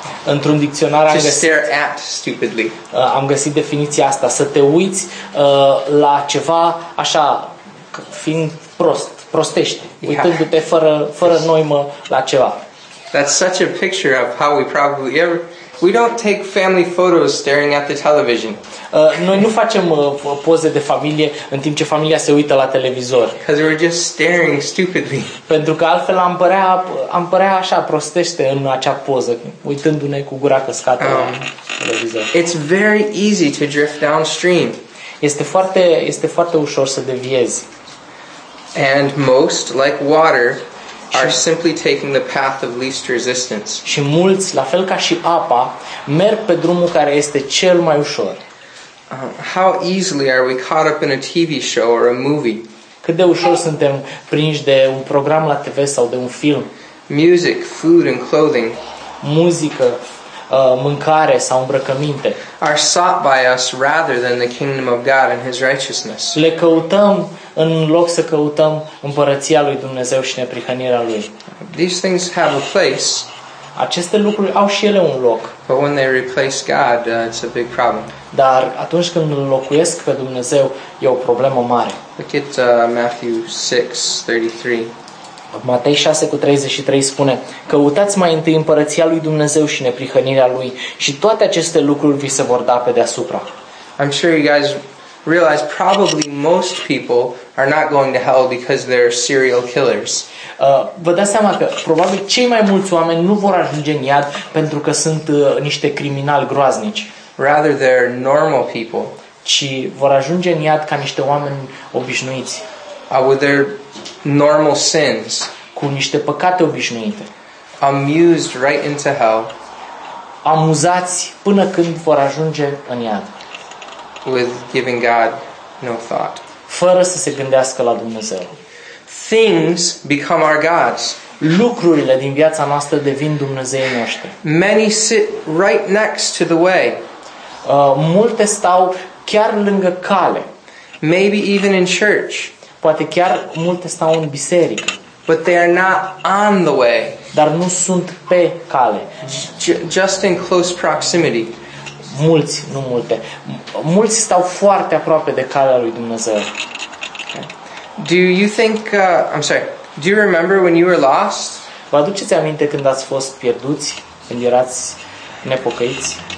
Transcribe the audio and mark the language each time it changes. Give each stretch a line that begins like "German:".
Romanian: Într-un dicționar am găsit,
English: stare at stupidly.
Romanian: Am găsit definiția asta. Să te uiți la ceva așa, fiind prost, prostește, uitându-te fără noimă la ceva.
English: That's such a picture of how we probably ever. We don't take family photos staring at the television.
Romanian: Noi nu facem poze de familie în timp ce familia se uită la televizor.
English: Because we're just staring stupidly.
Romanian: Pentru că altfel am părea așa prostește în acea poză, uitându-ne cu gura căscată la televizor.
English: It's very easy to drift downstream.
Romanian: Este foarte ușor să deviezi.
English: And most, like water, are simply taking the path of least resistance.
Romanian: Și mulți, la fel ca și apa, merg pe drumul care este cel mai ușor.
English: How easily are we caught up in a TV show or a movie?
Romanian: Cât de ușor suntem prinși de un program la TV sau de un film?
English: Music, food and clothing.
Romanian: Muzică, mâncare sau îmbrăcăminte.
English: Are sought by us rather than the kingdom of God and his righteousness.
Romanian: Le căutăm în loc să căutăm împărăția lui Dumnezeu și neprihănirea lui.
English: These things have a place.
Romanian: Aceste lucruri au și ele un loc.
English: But when they replace God, it's a big problem.
Romanian: Dar atunci când înlocuiesc pe Dumnezeu, e o problemă mare.
English: Look at Matthew 6:33.
Romanian: Matei 6:33 spune: căutați mai întâi împărăția lui Dumnezeu și neprihănirea lui și toate aceste lucruri vi se vor da pe deasupra.
English: I'm sure you guys realize probably most people are not going to hell because they're serial killers.
Romanian: Vă dați seama că probabil cei mai mulți oameni nu vor ajunge în iad pentru că sunt niște criminali groaznici.
English: Rather they're normal people.
Romanian: Ci vor ajunge în iad ca niște oameni obișnuiți.
English: With their normal sins.
Romanian: Cu niște păcate obișnuite.
English: Amused right into hell.
Romanian: Amuzați până când vor ajunge în iad.
English: With giving God no thought.
Romanian: Fără să se gândească la Dumnezeu.
English: Things become our gods.
Romanian: Lucrurile din viața noastră devin Dumnezeii noștri.
English: Many sit right next to the way.
Romanian: Multe stau chiar lângă cale.
English: Maybe even in church.
Romanian: Poate chiar multe stau în biserică.
English: But they are not on the way.
Romanian: Dar nu sunt pe cale.
English: Just in close proximity.
Romanian: Mulți, nu multe. Mulți stau foarte aproape de calea lui Dumnezeu.
English: Do you think do you remember when you were lost?
Romanian: Vă aduceți aminte când ați fost pierduți, când erați nepocăiți?